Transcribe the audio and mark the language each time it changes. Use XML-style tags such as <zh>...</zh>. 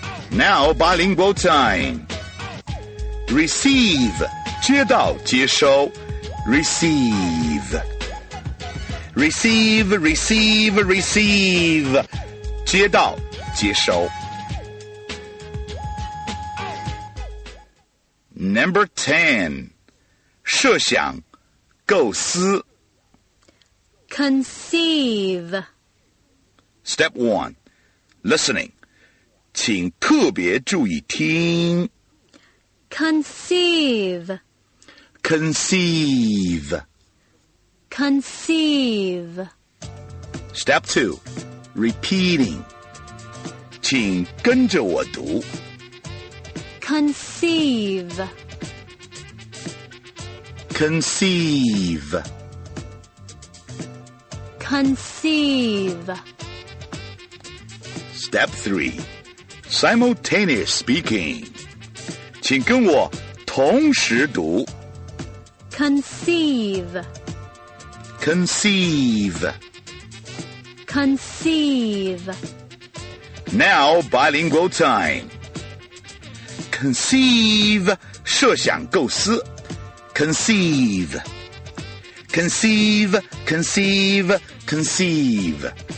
<en>Now bilingual time Receive</en> <zh>接到接收</zh> <en>Receive Receive Receive Receive 接到接收Number 10</en> <zh>设想构思</zh> <en>Conceive Step 1 Listening</en> <zh>请特别注意听</zh> <en>Conceive Conceive Conceive Step 2 Repeating</en> <zh>请跟着我读</zh> <en>Conceive conceive conceive step 3 simultaneous speaking.</en> <zh>请跟我同时读。</zh> <en>Conceive. Conceive. Conceive. Now bilingual time. Conceive,</en> <zh>设想构思。</zh> <en>Conceive. Conceive, conceive, conceive.</en>